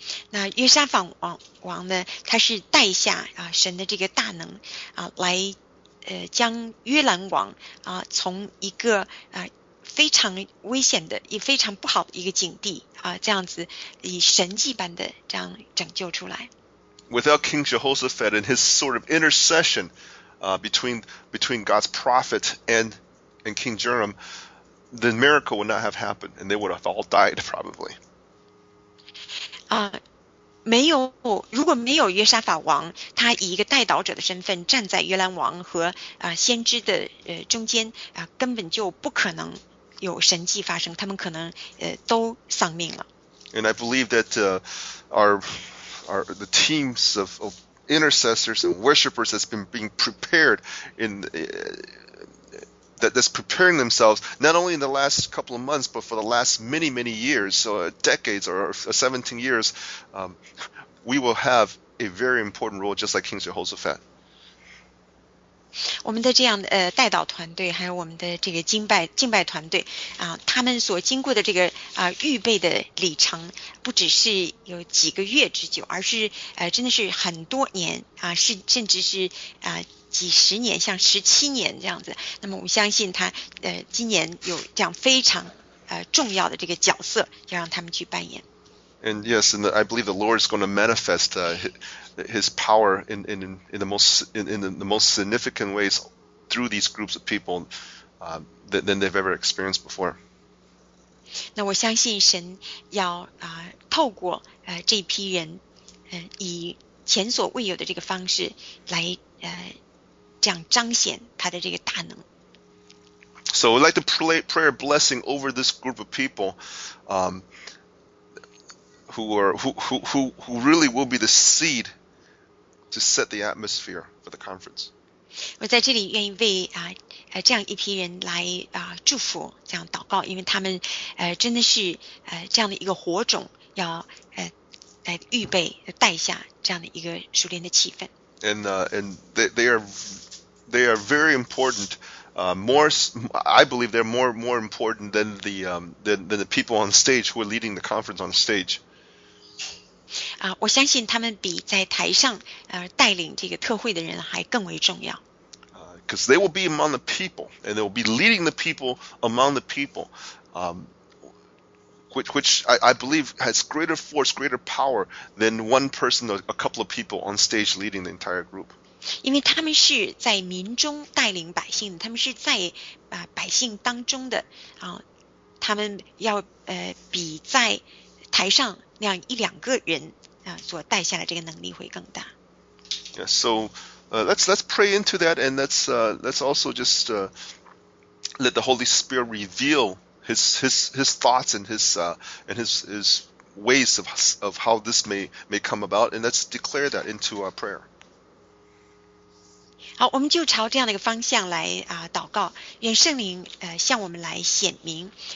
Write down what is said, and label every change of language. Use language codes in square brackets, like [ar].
[zh] 那约沙法王呢他是带下神的这个大能来将约兰王从一个非常危险的也非常不好的一个境地这样子以神迹般的这样拯救出来。 [en] Without King Jehoshaphat and his sort of intercession between God's prophet and King Joram, the miracle would not have happened and they would have all died probably. [zh] 没有，如果没有约沙法王，他以一个代祷者的身份站在约兰王和先知的中间根本就不可能有神迹发生，他们可能都丧命了。 [en] And I believe that our the teams of intercessors and worshippers that's been being prepared in that's preparing themselves not only in the last couple of months but for the last many many years so decades or 17 years we will have a very important role just like King Jehoshaphat [zh] 我们的这样的代祷团队还有我们的这个敬拜团队他们所经过的这个预备的里程不只是有几个月之久而是真的是很多年是甚至是几十年，像十七年这样子。那么我们相信他，今年有这样非常重要的这个角色，要让他们去扮演。 [en] And yes, and I believe the Lord is going to manifest His power in the most significant ways through these groups of people than they've ever experienced before. [zh] 那我相信神要透过这批人，以前所未有的这个方式来这样彰显他的这个大能。 [en] So I'd like to pray a blessing over this group of people, who really will be the seed to set the atmosphere for the conference. [zh] 我在这里愿意为这样一批人来祝福，这样祷告，因为他们真的是这样的一个火种，要来预备带下这样的一个属灵的气氛。 [en] And they are very important. I believe they're more important than the people on stage who are leading the conference on stage. [zh] 我相信他们比在台上带领这个特会的人还更为重要。 [en] Because they will be among the people, and they will be leading the people among the people, which I believe has greater force, greater power than one person or a couple of people on stage leading the entire group. [zh] 因为他们是在民中带领百姓的，他们是在百姓当中的他们要比在台上那样一两个人所带下来这个能力会更大。 [en] Yeah, so let's pray into that, and let's also just let the Holy Spirit reveal his thoughts and his ways of how this may come about, and let's declare that into our prayer. [zh] 好，我们就朝这样的一个方向来祷告，愿圣灵向我们来显明